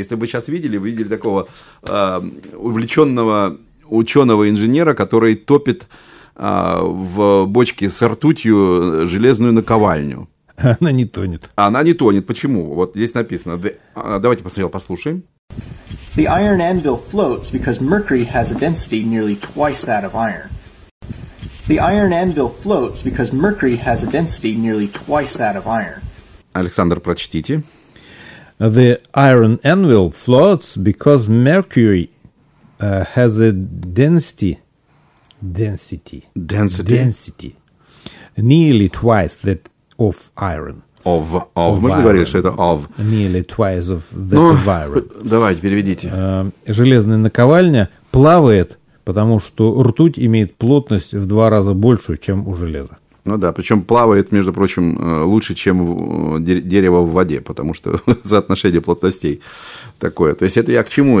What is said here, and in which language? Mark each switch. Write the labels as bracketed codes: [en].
[ru] Если бы вы сейчас видели, вы видели такого увлеченного ученого-инженера, который топит в бочке с ртутью железную наковальню. Она не тонет. Она не тонет. Почему? Вот здесь написано. Давайте посмотрим, послушаем. [en] The iron anvil floats because mercury has a density nearly twice that of iron. The iron anvil floats because mercury has a density nearly twice that of iron. [ru] Александр, прочтите. [en] The iron anvil floats because mercury has a density nearly twice that of iron. [ru] Of мы же говорили, что это of. [en] Nearly twice of that of iron. [ru] Давайте, переведите. Железная наковальня плавает, потому что ртуть имеет плотность в два раза большую, чем у железа. Ну да, причем плавает, между прочим, лучше, чем дерево в воде, потому что соотношение плотностей такое. То есть, это я к чему?